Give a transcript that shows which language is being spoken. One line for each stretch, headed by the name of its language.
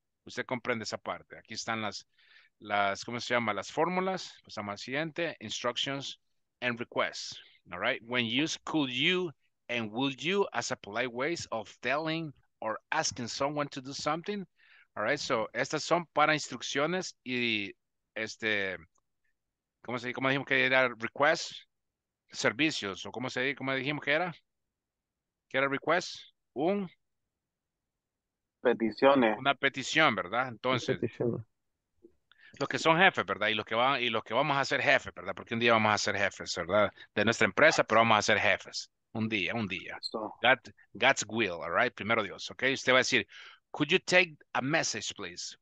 Spanish: Usted comprende esa parte. Aquí están las, ¿cómo se llama? Las fórmulas. Pasamos al siguiente.
English: Instructions and requests, all right? When used, could you and would you as a polite ways of telling or asking someone to do something, all right?
Spanish: So, estas son para instrucciones y, ¿cómo se dice? ¿Cómo dijimos que era? Requests, servicios, o ¿cómo se dice? ¿Cómo dijimos que era? ¿Qué era request? Un... peticiones. Una petición, ¿verdad? Entonces, los que son jefes, ¿verdad? Y los que vamos a ser jefes, ¿verdad? Porque un día vamos a ser jefes, ¿verdad? De nuestra empresa, pero vamos a ser jefes. Un día.
English: God's will, all right?
Spanish: Primero Dios,
English: okay?
Spanish: Usted va a decir,
English: could you take a message, please?